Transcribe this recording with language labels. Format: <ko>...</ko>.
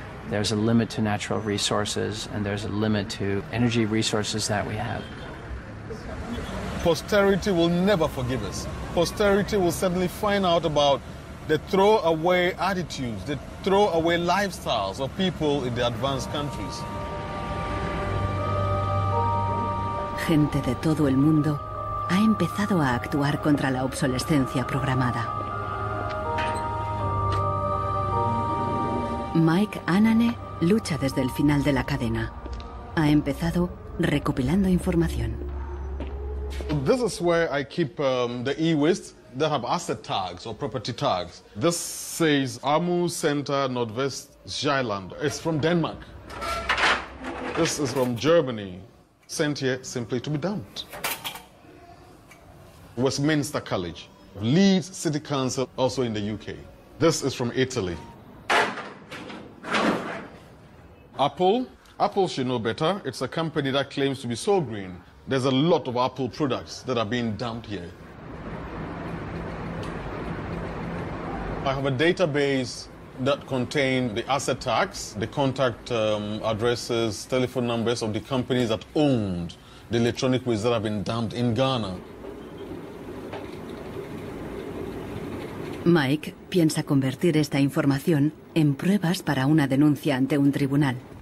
<en>There's a limit to natural resources, and there's a limit to energy resources that we have. Posterity will never forgive us. Posterity will suddenly find out about the throwaway attitudes, the throwaway lifestyles of people in the advanced countries.</en> <es>Gente de todo el mundo ha empezado a actuar contra la obsolescencia programada. Mike Anane lucha desde el final de la cadena. Ha empezado recopilando información.</es> <en>This is where I keep the e-waste that have asset tags or property tags. This says Amu Center Nordwest Zealand. It's from Denmark. This is from Germany, sent here simply to be dumped. Westminster College, Leeds City Council, also in the UK. This is from Italy. Apple should know better. It's a company that claims to be so green. There's a lot of Apple products that are being dumped here. I have a database that contains the asset tax, the contact addresses, telephone numbers of the companies that owned the electronic waste that have been dumped in Ghana.</en> <es>Mike piensa convertir esta información en pruebas para una denuncia ante un tribunal.</es>